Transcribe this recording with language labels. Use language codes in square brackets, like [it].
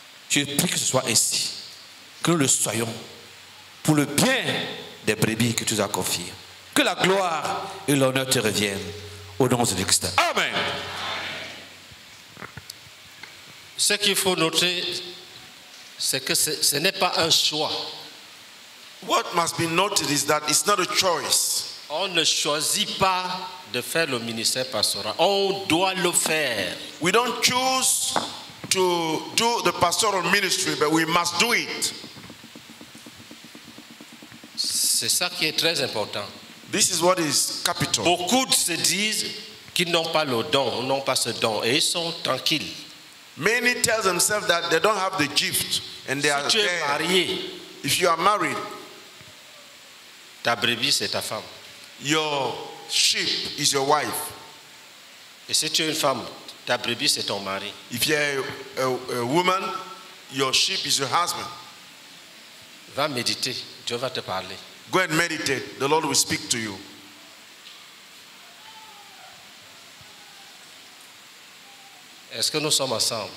[fr] Je prie que ce soit ainsi. Que nous le soyons pour le bien des brebis que tu as confiées. Que la gloire et l'honneur te reviennent au nom de Christ. Amen. Ce qu'il faut noter, c'est que ce n'est pas un choix. [en] What must be noted is that it's not a choice. [fr] On ne choisit pas de faire le ministère pastoral. On doit le faire. [en] We don't choose to do the pastoral ministry, but we must do it. [fr] C'est ça qui est très important. [en] This is what is capital. [fr] Beaucoup se disent qu'ils n'ont pas le don, n'ont pas ce don, et ils sont tranquilles. [en] Many tell themselves that they don't have the gift and they [fr] si [en] are [fr] tu es [en] there. [fr] Marié, [en] if you are married, [fr] ta brebis c'est ta femme. [en] Your sheep is your wife. [fr] Et si tu es une femme, ta brebis c'est ton mari. [en] If you are a woman, your sheep is your husband. [fr] Va méditer, Dieu va te parler. [en] Go and meditate. The Lord will speak to you. [fr] Est-ce que nous sommes ensemble?